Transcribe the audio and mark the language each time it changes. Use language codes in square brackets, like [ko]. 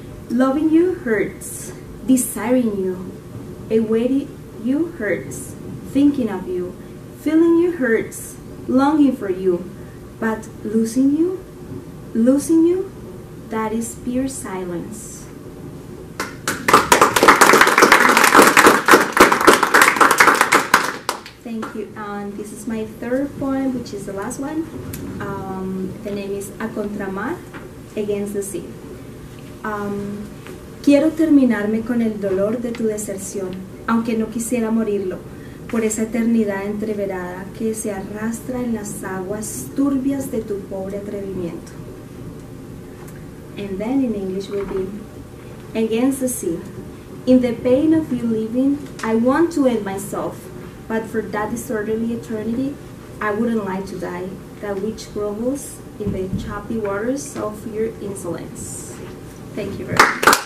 [en] Loving you hurts, desiring you, awaiting you hurts, thinking of you, feeling you hurts, longing for you, but losing you, that is pure silence. Thank you. And this is my third poem, which is the last one. The name is A Contramar, Against the Sea. [es] Quiero terminarme con el dolor de tu deserción, aunque no quisiera morirlo, por esa eternidad entreverada que se arrastra en las aguas turbias de tu pobre atrevimiento. [en] And then in English will be Against the Sea. In the pain of you leaving, I want to end myself. But for that disorderly eternity, I wouldn't like to die, that which grovels in the choppy waters of your insolence. Thank you very much.